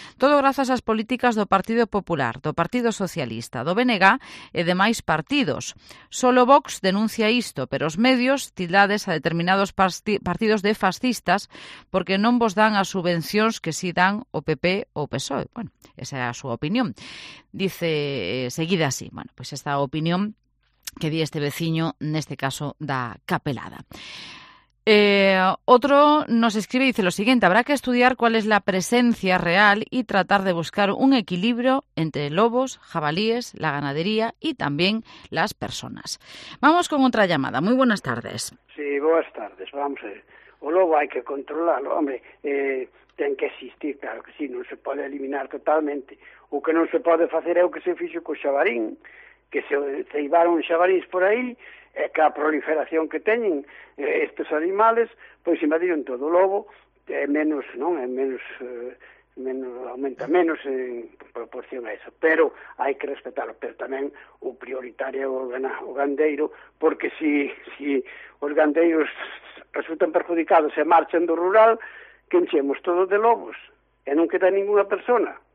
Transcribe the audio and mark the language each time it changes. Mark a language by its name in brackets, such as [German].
[Galician] Todo grazas ás políticas do Partido Popular, do Partido Socialista, do BNG e demais partidos. Solo Vox denuncia isto, pero os medios tildades a determinados partidos de fascistas porque non vos dan as subvencións que si dan o PP ou o PSOE. Bueno, esa é a súa opinión. [Spanish] Dice seguida así. [Galician] Bueno, pues esta opinión que di este veciño, neste caso da Capelada. [Spanish] Otro nos escribe y dice lo siguiente, habrá que estudiar cuál es la presencia real y tratar de buscar un equilibrio entre lobos, jabalíes, la ganadería y también las personas. Vamos con otra llamada, muy buenas tardes. Sí, buenas tardes, vamos a ver. O lobo hay que controlarlo, hombre, [Galician] ten que existir, [Spanish] claro que sí, no se puede eliminar totalmente. [Galician] O que [Spanish] no se puede hacer es lo que [Galician] se fixo con xabarín, que se ceibaron xabarís [Spanish] por ahí, [Galician] é que a proliferación que teñen estes animales, pois invadiron todo o lobo, é menos, non? É menos aumenta menos en proporción a eso, pero hai que respetarlo, pero tamén o prioritario é o gandeiro, porque si os gandeiros resultan perjudicados e marchan do rural, que enchemos todo de lobos, e non queda [Spanish] ninguna persona.